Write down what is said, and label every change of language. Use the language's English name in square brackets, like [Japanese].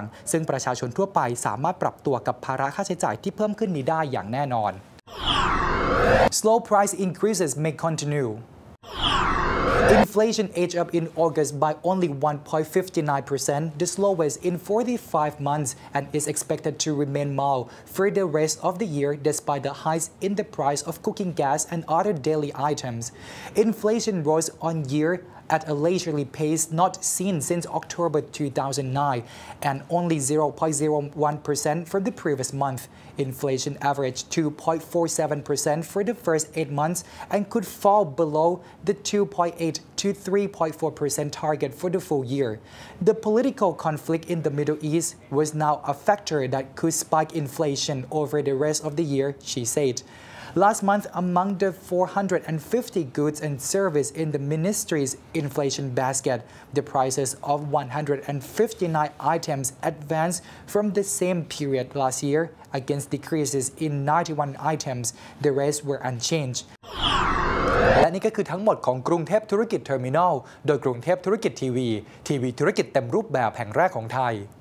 [Thai] ซึ่งประชาชนทั่วไปสามารถปรับตัวกับภาระค่าใช้จ่ายที่เพิ่มขึ้นนี้ได้อย่างแน่นอน [English] Slow price increases may continueInflation edged up in August by only 1.59%, the slowest in 45 months, and is expected to remain mild for the rest of the year despite the hikes in the price of cooking gas and other daily items. Inflation rose on year at a leisurely pace not seen since October 2009, and only 0.01% from the previous month. Inflation averaged 2.47% for the first 8 months and could fall below the 2.8%to 3.4% target for the full year. The political conflict in the Middle East was now a factor that could spike inflation over the rest of the year, she said. Last month, among the 450 goods and services in the ministry's inflation basket, the prices of 159 items advanced from the same period last year against decreases in 91 items. The rest were unchanged [Thai] และนี่ก็คือทั้งหมดของกรุงเทพธุรกิจเทอร์มินอลโดยกรุงเทพธุรกิจทีวีทีวีธุรกิจเต็มรูปแบบแห่งแรกของไทย